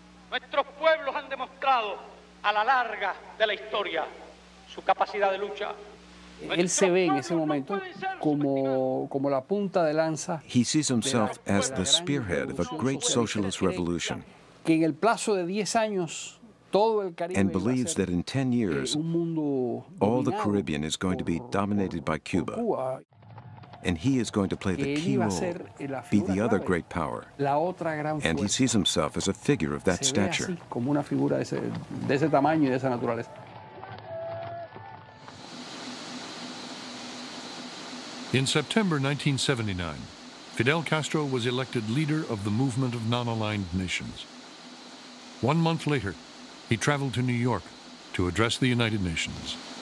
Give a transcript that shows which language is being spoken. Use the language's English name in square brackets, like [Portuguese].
[Spanish] Nuestros pueblos han demostrado a la larga de la historia su capacidad de lucha. Él se ve en ese momento como la punta de lanza. [English] He sees himself as the spearhead of a great socialist revolution. [Spanish] Que en el plazo de 10 años todo el Caribe. [English] And believes that in 10 years all the Caribbean is going to be dominated by Cuba. And he is going to play the key role, be the other great power. [Spanish] La otra gran [English] and he sees himself as a figure of that [Spanish] se [English] stature. [Spanish] Así, como una figura de ese tamaño y de esa naturaleza. [English] In September 1979, Fidel Castro was elected leader of the Movement of Non-Aligned Nations. 1 month later, he traveled to New York to address the United Nations.